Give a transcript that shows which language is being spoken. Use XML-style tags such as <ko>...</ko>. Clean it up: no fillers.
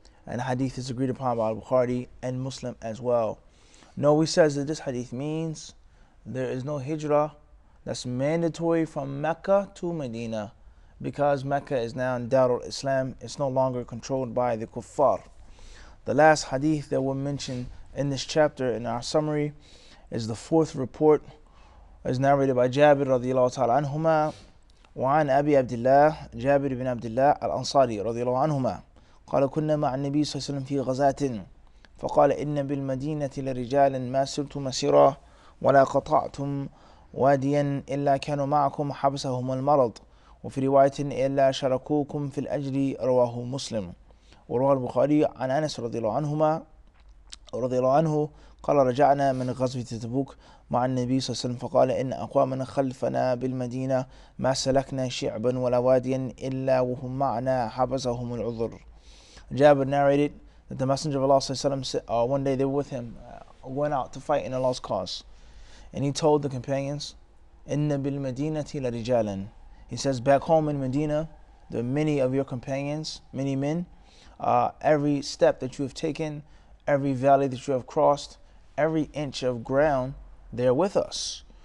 <en>And hadith is agreed upon by Bukhari and Muslim as well. Nawawi says that this hadith means there is no hijrah that's mandatory from Mecca to Medina, because Mecca is now in Darul Islam. It's no longer controlled by the Kuffar. The last hadith that we'll mention in this chapter, in our summary, is the fourth report, as narrated by Jabir</en> <ar>radiallahu ta'ala anhuma, وعن أبي عبد الله جابر بن عبد الله الأنصاري رضي الله عنهما قال كنا مع النبي صلى الله عليه وسلم في غزاة فقال إن بالمدينة لرجال ما سرتم مسيرا ولا قطعتم واديا إلا كانوا معكم حبسهم المرض وفي رواية إلا شركوكم في الأجر رواه مسلم وروى البخاري عن أنس رضي الله عنهما رضي الله عنه قال رجعنا من غزوة تبوك مع النبي صلى الله عليه وسلم فقال إن أقواما خلفنا بالمدينة ما سلكنا شعبا ولا واديا إلا وهم معنا حبسهم العذر.</ar> <en>Jabir narrated that the Messenger of Allah</en> <ar>صلى الله عليه وسلم</ar> <en>one day they were with him went out to fight in Allah's cause, and he told the companions</en> <ar>إن بالمدينة لرجالا.</ar> <en>He says back home in Medina there are many of your companions, many men. Every step that you have taken, every valley that you have crossed, every inch of ground, they are with us.</en>